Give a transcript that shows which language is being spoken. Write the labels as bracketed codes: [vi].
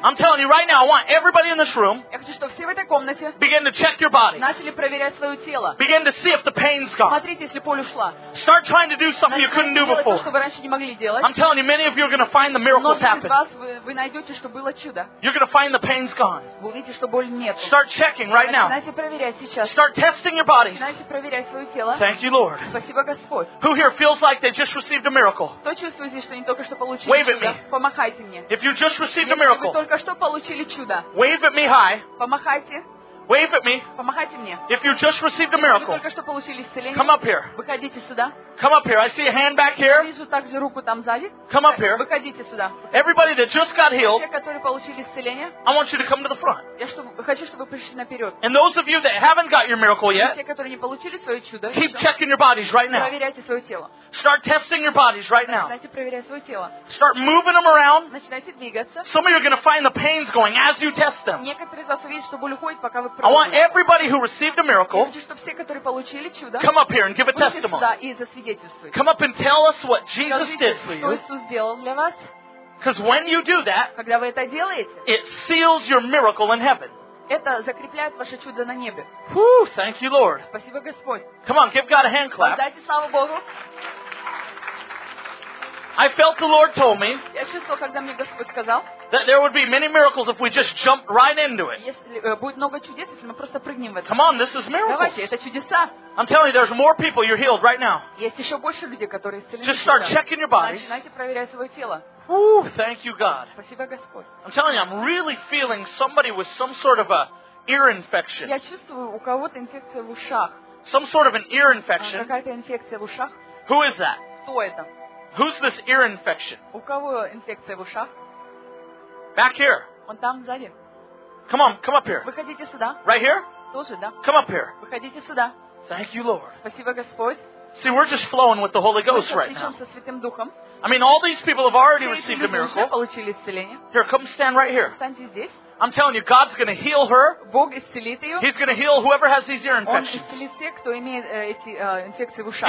[en] I'm telling you right now, I want everybody in this room. [ru] Я хочу, чтобы все в этой комнате. [en] Begin to check your body. [ru] Начали проверять свое тело. [en] Begin to see if the pain's gone. [ru] Смотрите, если боль ушла. [en] Start trying to do something you couldn't do before. [ru] Начали делать то, что вы раньше не могли делать. [en] I'm telling you, many of you are going to find the miracles happen. [ru] Но многие из вас вы найдете, что было чудо. [en] You're going to find the pain's gone. [ru] Вы увидите, что боль нет. [en] Start checking right now. [ru] Начинайте проверять сейчас. [en] Start testing your bodies. [ru] Начинайте проверять свое тело. [en] Thank you, Lord. [ru] Спасибо, Господь. [en] Who here feels like they just received a miracle? [ru] Кто чувствует здесь, что они только что получили? [en] Wave at me. [ru] Помахайте мне. [en] If you just received a miracle. [ru] Если вы только что получили чудо. [en] Wave at me high. [ru] Помахайте. [en] Wave at me. [ru] Помахайте мне. [en] If you just received a miracle. [ru] Если вы только что получили исцеление. [en] Come up here. [ru] Выходите сюда. [en] Come up here. I see a hand back here. [ru] Я вижу также руку там сзади. [en] Come up here. [ru] Выходите сюда. [en] Everybody that just got healed. [ru] Все, которые получили исцеление. [en] I want you to come to the front. [ru] Я хочу, чтобы вы пришли наперед. [en] And those of you that haven't got your miracle yet. [ru] Те, которые не получили свое чудо. [en] Keep checking your bodies right now. [ru] Проверяйте свое тело. [en] Start testing your bodies right now. [ru] Начинайте проверять свое тело. [en] Start moving them around. [ru] Начинайте двигаться. [en] Some of you are going to find the pains going as you test them. [ru] Некоторые из вас увидят, что боль уходит, пока вы проверяете. [en] I want everybody who received a miracle. [ru] Я хочу, чтобы все, которые получили чудо. [en] Come up here and give a testimony. Come up and tell us what Jesus did for you. Because when you do that, it seals your miracle in heaven. [ru] Это закрепляет ваше чудо на небе. [en] Whew, thank you, Lord. [ru] Спасибо, Господь. [en] Come on, give God a hand clap. [ru] Дайте славу Богу. [en] I felt the Lord told me. [ru] Я чувствовал, когда мне Господь сказал. [en] That there would be many miracles if we just jumped right into it. [ru] Если будет много чудес, если мы просто прыгнем в это. [en] Come on, this is miracles. [ru] Давайте, это чудеса. [en] I'm telling you, there's more people you're healed right now. [ru] Есть еще больше людей, которые исцелены. [en] Just start checking your bodies. [ru] Начинайте проверять свое тело. [en] Ooh, thank you, God. [ru] Спасибо, Господь. [en] I'm telling you, I'm really feeling somebody with some sort of a ear infection. [ru] Я чувствую, у кого-то инфекция в ушах. [en] Some sort of an ear infection. [ru] Какая-то инфекция в ушах. [en] Who is that? [ru] Кто это? [en] Who's this ear infection? [ru] У кого инфекция в ушах? [en] Back here. [ru] Он там сзади. [en] Come on, come up here. [ru] Выходите сюда. [en] Right here? [ru] Тоже, да. [en] Come up here. [ru] Выходите сюда. [en] Thank you, Lord. [ru] Спасибо, Господь. [en] See, we're just flowing with the Holy Ghost right now. [ru] Мы сейчас течем со Святым Духом. [en] I mean, all these people have already received a miracle. [ru] Все эти люди уже получили исцеление. [en] Here, come stand right here. [ru] Встаньте здесь. [en] I'm telling you, God's going to heal her. [ru] Бог исцелит ее. [en] He's going to heal whoever has these ear infections. [ru] Он исцелит всех, кто имеет эти инфекции в ушах.